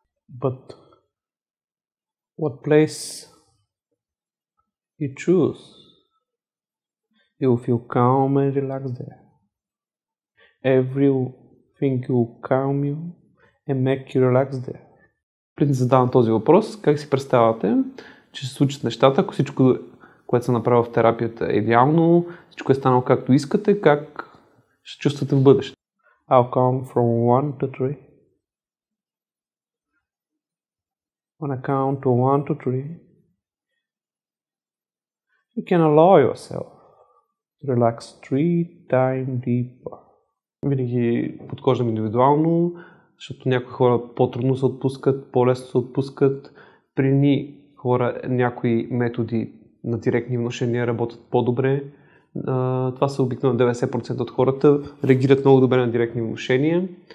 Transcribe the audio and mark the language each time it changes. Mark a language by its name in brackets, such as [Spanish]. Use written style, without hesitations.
[English] But what place you choose, you will feel calm and relaxed there. Everything will calm you and make you relaxed there. [Bulgarian] Преди да задавам този въпрос, как си представяте, че се случат нещата, ако всичко, което съм направил в терапията е идеално, всичко е станало както искате, как ще чувствате в бъдеще? [English] I'll come from 1 to 3. When I count to 1 to 3, you can allow yourself to relax 3 times deeper. [Bulgarian] Винаги подхождам индивидуално, защото някои хора по-трудно се отпускат, по-лесно се отпускат. При ни хора, някои методи на директни внушения работят по-добре. Това са обикновено 90% от хората, реагират много добре на директни внушения.